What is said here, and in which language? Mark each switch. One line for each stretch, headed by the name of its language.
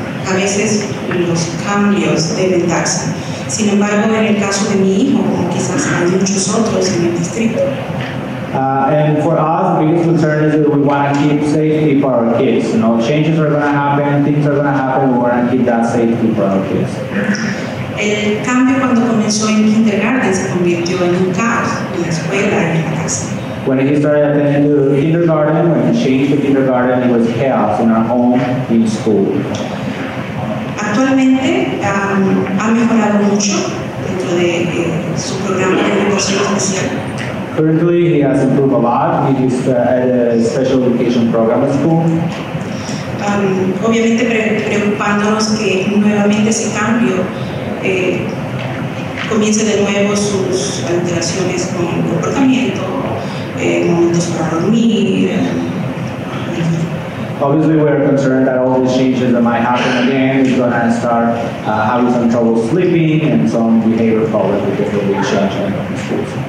Spanish: A veces los cambios deben darse. Sin embargo, en el caso de mi hijo, como quizás hay muchos otros en el distrito,
English: And for us, the biggest concern is that we want to keep safety for our kids. You know, changes are going to happen, things are going to happen, we want to keep that safety for our kids.
Spanish: El cambio cuando comenzó en kindergarten se convirtió en un caos en la escuela y en la casa.
English: When he started attending the kindergarten, when he changed the kindergarten, it was chaos in our home, in school.
Spanish: Actualmente, ha mejorado mucho dentro de su programa de educación especial.
English: Currently, he has improved a lot in his special education program at school.
Spanish: Obviamente, preocupándonos que nuevamente ese cambio comience de nuevo sus alteraciones con el comportamiento, momentos para dormir.
English: Obviously, we are concerned that all these changes that might happen again is going to start having some trouble sleeping and some behavior problems because of the change in schools.